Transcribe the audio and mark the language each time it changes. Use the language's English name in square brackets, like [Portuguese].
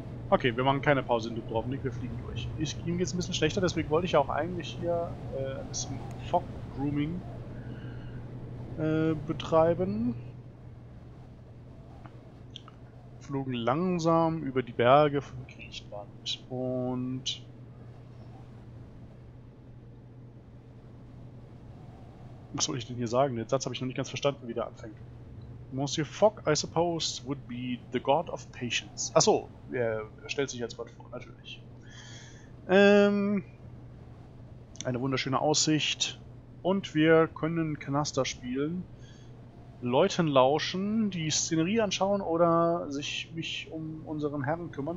[German] Okay, wir machen keine Pause in Dubrovnik, wir fliegen durch. Ihm geht es ein bisschen schlechter, deswegen wollte ich auch eigentlich hier das Fog-Grooming betreiben. Flogen langsam über die Berge von Griechenland und was soll ich denn hier sagen? Den Satz habe ich noch nicht ganz verstanden, wie der anfängt. [English] Monsieur Fogg, I suppose, would be the god of patience. [German] Achso, er stellt sich als Gott vor, natürlich. Eine wunderschöne Aussicht. Und wir können Canaster spielen, Leuten lauschen, die Szenerie anschauen oder mich um unseren Herrn kümmern.